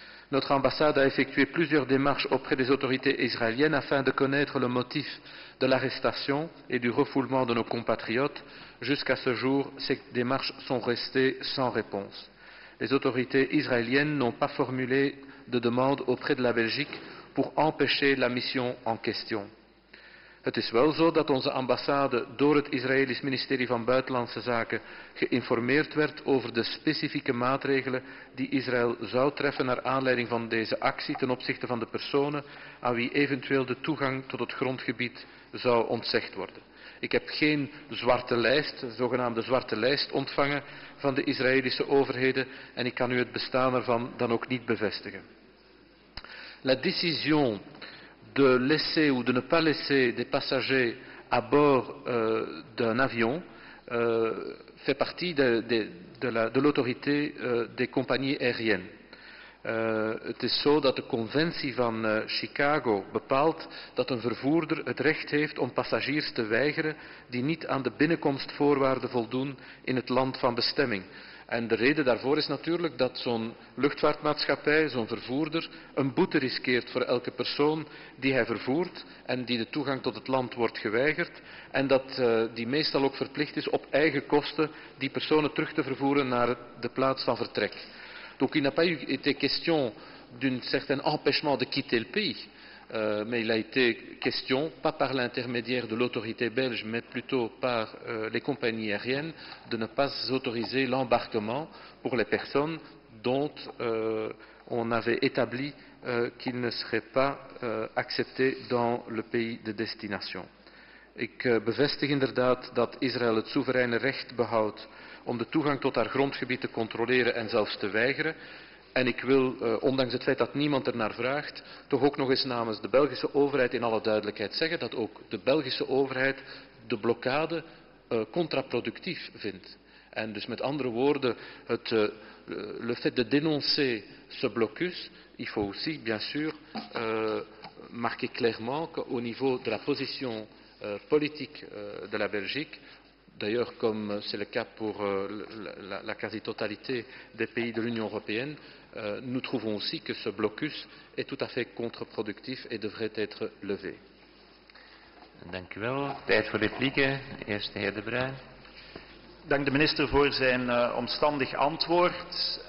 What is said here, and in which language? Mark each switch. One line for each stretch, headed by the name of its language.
French: Notre ambassade a effectué plusieurs démarches auprès des autorités israéliennes afin de connaître le motif de l'arrestation et du refoulement de nos compatriotes. Jusqu'à ce jour, ces démarches sont restées sans réponse. Les autorités israéliennes n'ont pas formulé de demande auprès de la Belgique pour empêcher la mission en question.
Dutch: Het is wel zo dat onze ambassade door het Israëlisch ministerie van Buitenlandse Zaken geïnformeerd werd over de specifieke maatregelen die Israël zou treffen naar aanleiding van deze actie ten opzichte van de personen aan wie eventueel de toegang tot het grondgebied zou ontzegd worden. Ik heb geen zwarte lijst, de zogenaamde zwarte lijst, ontvangen van de Israëlische overheden en ik kan u het bestaan ervan dan ook niet bevestigen.
French: La décision de laisser ou de ne pas laisser des passagers à bord d'un avion fait partie de l'autorité des compagnies aériennes.
Dutch: Het is zo dat de conventie van Chicago bepaalt dat een vervoerder het recht heeft om passagiers te weigeren die niet aan de binnenkomstvoorwaarden voldoen in het land van bestemming. En de reden daarvoor is natuurlijk dat zo'n luchtvaartmaatschappij, zo'n vervoerder, een boete riskeert voor elke persoon die hij vervoert en die de toegang tot het land wordt geweigerd. En dat die meestal ook verplicht is op eigen kosten die personen terug te vervoeren naar de plaats van vertrek. Donc il n'a pas été question d'un certain empêchement de quitter le pays, mais il a été question, pas par l'intermédiaire de l'autorité belge, mais plutôt par les compagnies aériennes, de ne pas autoriser l'embarquement pour les personnes dont on avait établi qu'ils ne seraient pas acceptés dans le pays de destination. Ik bevestig inderdaad dat Israël het soevereine recht behoudt om de toegang tot haar grondgebied te controleren en zelfs te weigeren. En ik wil, ondanks het feit dat niemand ernaar vraagt, toch ook nog eens namens de Belgische overheid in alle duidelijkheid zeggen dat ook de Belgische overheid de blokkade contraproductief vindt. En dus met andere woorden,
French: le fait de dénoncer ce blocus, il faut aussi, bien sûr, marquer clairement qu'au niveau de la position politique de la Belgique, d'ailleurs comme c'est le cas pour la quasi-totalité des pays de l'Union européenne, nous trouvons aussi que ce blocus est tout à fait contre-productif et devrait être levé.
Dutch: Dank u wel. Tijd voor replieken. Eerst de heer De Bruin. Dank de minister voor zijn omstandig antwoord.